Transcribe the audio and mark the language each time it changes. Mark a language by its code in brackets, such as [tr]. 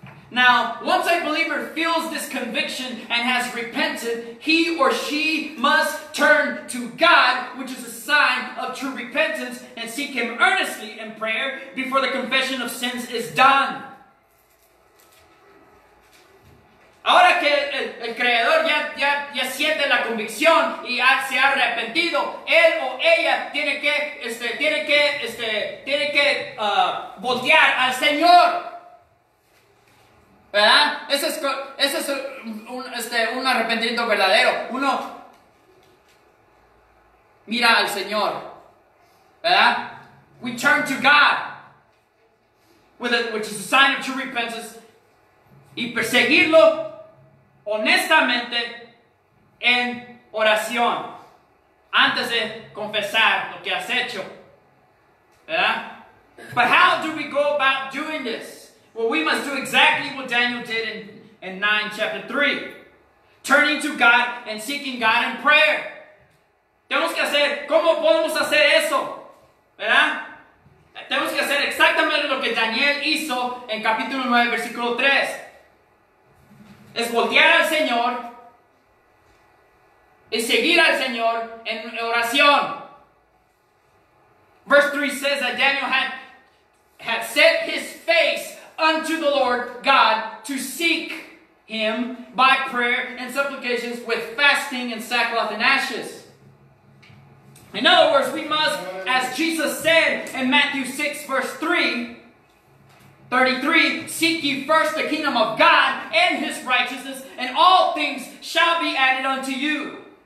[en] Now, once a believer feels this conviction and has repented, he or she must turn to God, which is a sign of true repentance, and seek Him earnestly in prayer before the confession of sins is done. [es] Ahora que el creador ya siente la convicción y se ha arrepentido, él o ella tiene que voltear al Señor. ¿Verdad? Ese es un arrepentimiento verdadero. Uno mira al Señor. ¿Verdad? [en] We turn to God, which is a sign of true repentance. [es] Y perseguirlo honestamente en oración antes de confesar lo que has hecho. ¿Verdad? [en] But how do we go about doing this? Well, we must do exactly what Daniel did in 9 chapter 3. Turning to God and seeking God in prayer. [es] Tenemos que hacer, ¿cómo podemos hacer eso? ¿Verdad? Tenemos que hacer exactamente lo que Daniel hizo en capítulo 9, versículo 3. Es voltear al Señor y seguir al Señor en oración. [en] Verse 3 says that Daniel had set his face unto the Lord God to seek Him by prayer and supplications with fasting and sackcloth and ashes. In other words, we must, as Jesus said in Matthew 6, verse 33, seek ye first the kingdom of God and His righteousness, and all things shall be added unto you.